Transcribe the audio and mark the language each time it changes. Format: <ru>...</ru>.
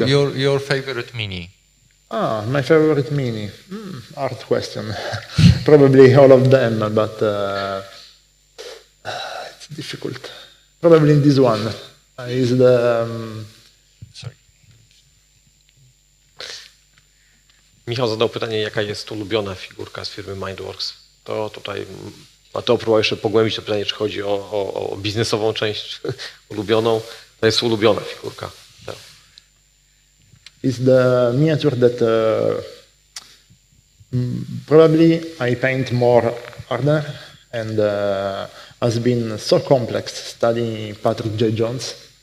<en>No, your favorite mini. Ah, my favorite mini. Art question. Probably all of them, but it's difficult. Probably in this one is the.</en> <pl>Michał zadał pytanie, jaka jest ulubiona figurka z firmy Mindworks. To tutaj Mateo próbował jeszcze pogłębić to pytanie, czy chodzi o biznesową część ulubioną. To jest ulubiona figurka. Tak.</pl> <en>Is the miniature that probably I paint more harder and has been so complex studying Patrick J. Jones.</en>